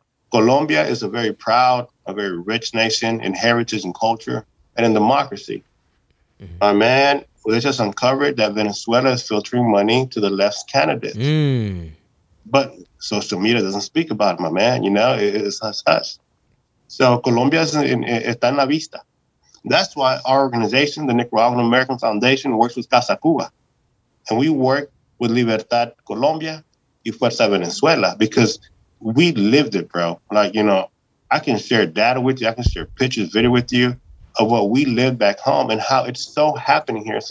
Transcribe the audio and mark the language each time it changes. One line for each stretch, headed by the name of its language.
English: Colombia is a very proud, a very rich nation in heritage and culture and in democracy. Mm-hmm. My man, they just uncovered that Venezuela is filtering money to the left's candidates. Mm. But social media doesn't speak about it, my man. You know, it's us.
Spanish: So Colombia está en la vista.
English: That's why our organization, the Nicaraguan American Foundation, works with Casa Cuba. And we work with Libertad Colombia y Fuerza Venezuela because we lived it, bro. Like, you know, I can share data with you. I can share pictures, video with you of what we live back home and how it's so happening here.